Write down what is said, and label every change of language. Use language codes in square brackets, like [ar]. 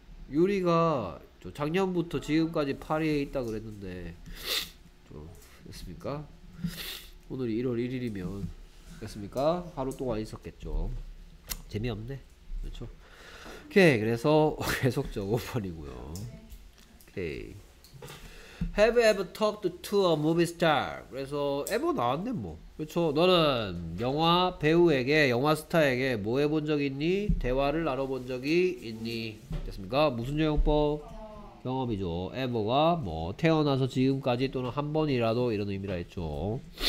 [ko] 유리가 저 작년부터 지금까지 파리에 있다 그랬는데 저 됐습니까? 오늘이 1월 1일이면 됐습니까? 하루 동안 있었겠죠. 재미없네. 그렇죠? 오케이. 그래서 계속 저 5번이고요. 오케이. [en] Have you ever talked to a movie star? [ko] 그래서 ever 나왔네 뭐. 그렇죠. 너는 영화 배우에게, 영화 스타에게 뭐 해본 적 있니? 대화를 나눠본 적이 있니? 됐습니까? 무슨 영법? 경험이죠. ever가 뭐 태어나서 지금까지 또는 한 번이라도 이런 의미라 했죠.